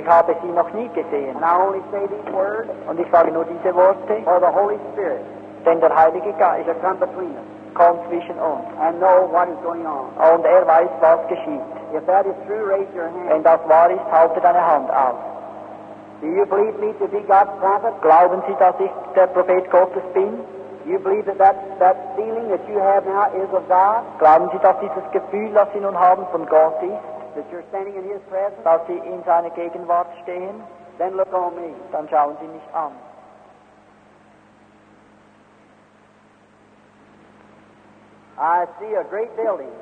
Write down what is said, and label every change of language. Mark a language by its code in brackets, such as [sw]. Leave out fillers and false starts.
[de] Ich habe sie noch nie gesehen. [en] And I only say these words. [de] Und ich sage nur diese Worte. [en] For the Holy Spirit. [de] Denn der Heilige Geist. [en] That come between us. [de] Kommt zwischen uns. [en] And know what is going on. [de] Und er weiß, was geschieht. [en] If that is true, raise your hand. [de] Wenn das wahr ist, halte deine Hand auf. [en] Do you believe me to be God's prophet? [de] Glauben Sie, dass ich der Prophet Gottes bin? [en] Do you believe that feeling that you have now is of God? [de] Glauben Sie, dass dieses Gefühl, das Sie nun haben, von Gott ist? [en] That you're standing in his presence? [de] Dass Sie in seiner Gegenwart stehen? [en] Then look on me. [de] Dann schauen Sie mich an. [en] I see a great building.